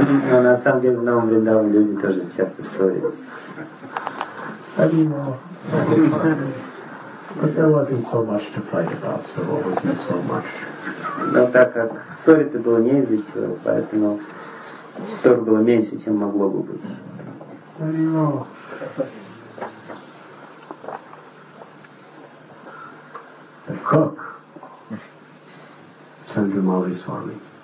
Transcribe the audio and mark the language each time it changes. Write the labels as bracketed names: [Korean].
[Russian] Но на самом деле на Вриндаване люди тоже часто ссорились. [English] But there wasn't so much to fight about, so it wasn't so much. [Russian] Но так как ссориться было не из-за чего, поэтому ссор было меньше, чем могло бы быть. [English] The cook, Chandramali Swami.